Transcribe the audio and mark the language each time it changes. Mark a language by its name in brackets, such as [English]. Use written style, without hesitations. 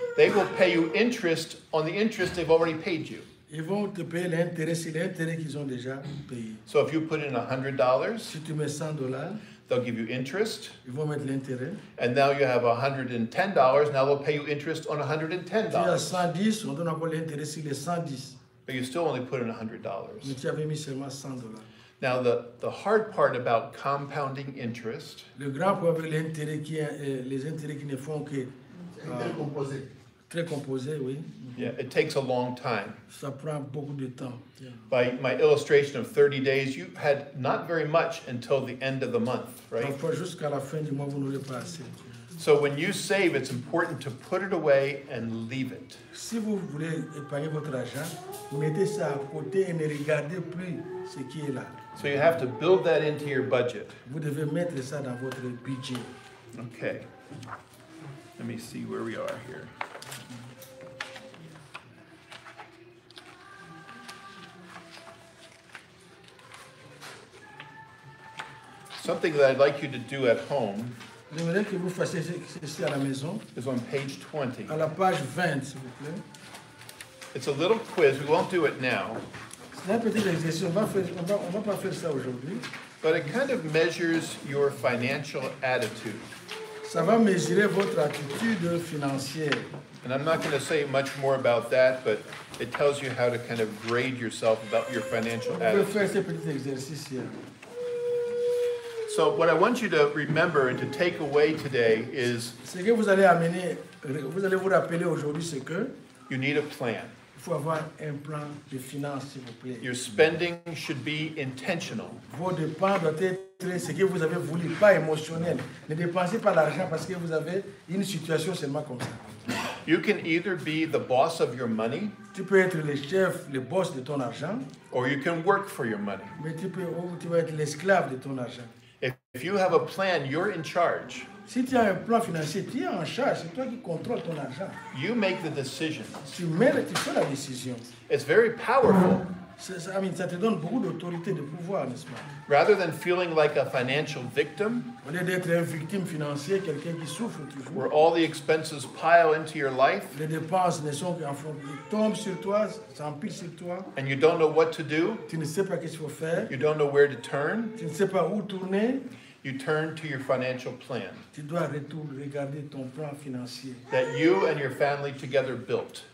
[English] they will pay you interest on the interest they've already paid you. [French] Ils vont te payer l'intérêt sur l'intérêt qu'ils ont déjà payé. [English] So if you put in $100, [French] si tu mets $100, [English] they'll give you interest. [French] Ils vont mettre l'intérêt. [English] And now you have $110, now they'll pay you interest on $110. [French] Si tu as 110, on donne encore l'intérêt sur les 110. [English] But you still only put in $100. [French] Mais tu avais mis seulement $100. [English] Now the hard part about compounding interest. [French] Le grand problème avec les intérêts qui ne font que très composé, oui. [English] Yeah, it takes a long time. [French] Ça prend beaucoup de temps. Yeah. [English] By my illustration of 30 days, you had not very much until the end of the month, right? [French] Pas jusqu'à la fin du mois, vous n'aurez pas assez. [English] So when you save, it's important to put it away and leave it. [French] Si vous voulez épargner votre argent, mettez ça à côté et ne regardez plus ce qui est là. [English] So you have to build that into your budget. [French] Vous devez mettre ça dans votre budget. [English] Okay. Let me see where we are here. Something that I'd like you to do at home is on page 20. [French] À la page 20, s'il vous plaît. [English] It's a little quiz. We won't do it now. [French] C'est un petit exercice. On va pas faire ça aujourd'hui. [English] But it kind of measures your financial attitude. [French] Ça va mesurer votre attitude financière. [English] And I'm not going to say much more about that, but it tells you how to kind of grade yourself about your financial attitude. [French] On va faire ce petit exercice hier. [English] So what I want you to remember and to take away today is you need a plan. [French] Il faut avoir un plan de finances, s'il vous plaît. [English] Your spending should be intentional. [French] Vos dépenses doivent être ce que vous avez voulu, pas émotionnel. Ne dépensez pas l'argent parce que vous avez une situation seulement comme ça. [English] You can either be the boss of your money. [French] Tu peux être le chef, le boss de ton argent. [English] Or you can work for your money. [French] Mais tu peux être l'esclave de ton argent. [English] If you have a plan, you're in charge. [French] Si tu as un plan financier, tu es en charge. C'est toi qui contrôles ton argent. [English] You make the decision. [French] Tu fais la décision. [English] It's very powerful. [French] Ça te donne beaucoup d'autorité, de pouvoir, n'est-ce pas? [English] Rather than feeling like a financial victim, [French] au lieu d'être une victime financière, quelqu'un qui souffre toujours, [English] where all the expenses pile into your life, [French] les dépenses ne sont qu'en fond, tombent sur toi, s'empilent sur toi, [English] and you don't know what to do, [French] tu ne sais pas qu'est-ce qu'il faut faire, [English] you don't know where to turn, [French] tu ne sais pas où tourner, [English] you turn to your financial plan. [French] Tu dois regarder ton plan financier [English] that you and your family together built.